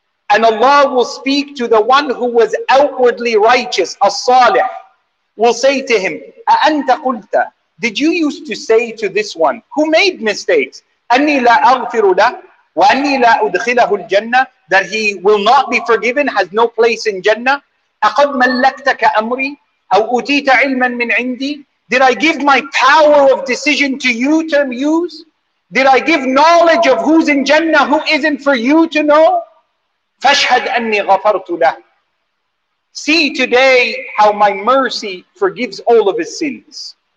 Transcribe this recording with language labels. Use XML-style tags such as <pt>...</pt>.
<en>And Allah will speak to the one who was outwardly righteous, as-salih, will say to him,</en> <ar>أَأَنْتَ قُلْتَ.</ar> <en>Did you used to say to this one, who made mistakes,</en> <ar>أَنِّي لَا أَغْفِرُ لَهُ وَأَنِّي لَا أُدْخِلَهُ الْجَنَّةِ,</ar> <en>that he will not be forgiven, has no place in Jannah.</en> <ar>أَقَدْ مَلَّكْتَكَ أَمْرِي أَوْ أُتِيتَ عِلْمًا مِنْ عِنْدِي.</ar> <en>Did I give my power of decision to you to use? Did I give knowledge of who's in Jannah, who isn't, for you to know?</en> <ar>فَاشْهَدْ أَنِّي غَفَرْتُ لَهُ.</ar> <en>See today how my mercy forgives all of his sins.</en>